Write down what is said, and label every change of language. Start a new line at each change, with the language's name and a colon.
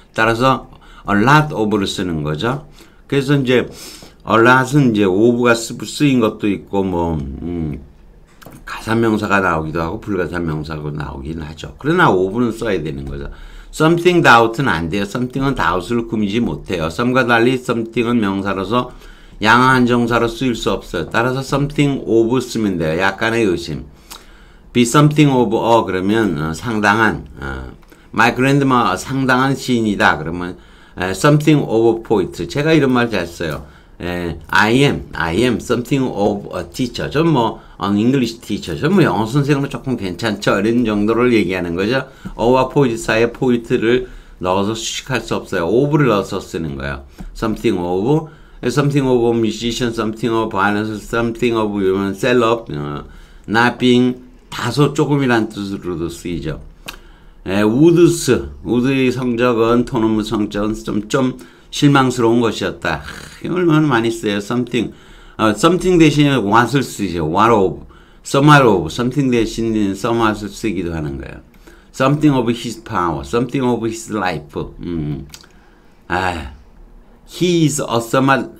Korean: 따라서 a lot of를 쓰는 거죠. 그래서 이제 a lot은 이제 of가 쓰인 것도 있고 뭐 가산명사가 나오기도 하고 불가산명사가 나오긴 하죠. 그러나 of는 써야 되는 거죠.
English: something doubt
Korean: 은 안 돼요. something은 doubt을 꾸미지 못해요. some과 달리 something은 명사로서 양호한 형사로 쓰일 수 없어요. 따라서 something of 쓰면 돼요. 약간의 의심. Be something of a 그러면 상당한 My grandma 상당한 시인이다 그러면
English: something of a poet
Korean: 제가 이런 말 잘 써요
English: I am something of a teacher 전 뭐 an English teacher
Korean: 전 뭐 영어 선생으로 조금 괜찮죠 이런 정도를 얘기하는 거죠
English: of a poet 사이에 poet를 넣어서 수식할 수 없어요 of를 넣어서 쓰는 거예요 something of something of a musician something of a violence something of a sellout not being
Korean: 다소 조금이란 뜻으로도 쓰이죠. 에, 우드스, 우드의 성적은 토너무 성적은 좀 실망스러운 것이었다. 하, 얼마나 많이 써요. something. something 대신에 what을 쓰죠.
English: what of. somewhat of.
Korean: something 대신에 somewhat을 쓰기도 하는 거예요.
English: something of his power. something of his life.
Korean: 아, he is a somewhat.